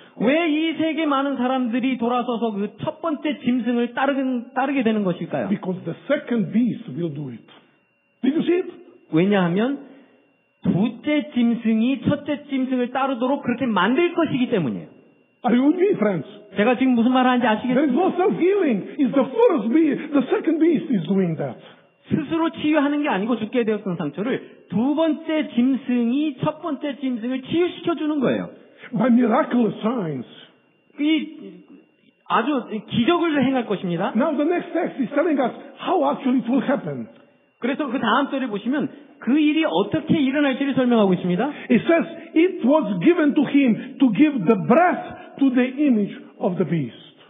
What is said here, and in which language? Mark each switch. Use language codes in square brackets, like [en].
[ko] 왜 이 세계 많은 사람들이 돌아서서 그 첫 번째 짐승을 따르게 되는 것일까요? [en] Because the second beast will do it. Did you see it? [ko] 왜냐하면 두째 짐승이 첫째 짐승을 따르도록 그렇게 만들 것이기 때문이에요. [en] Are you with me, friends? [ko] 제가 지금 무슨 말을 하는지 아시겠습니까? [en] There is no self-healing. It's the first beast. The second beast is doing that. [ko] 스스로 치유하는 게 아니고 죽게 되었던 상처를 두 번째 짐승이 첫 번째 짐승을 치유시켜 주는 거예요. [en] By miraculous signs. [ko] 이 아주 기적을 행할 것입니다. [en] Now the next text is telling us how actually it will happen. [ko] 그래서 그 다음 절을 보시면 그 일이 어떻게 일어날지를 설명하고 있습니다. [en] It says it was given to him to give the breath to the image of the beast.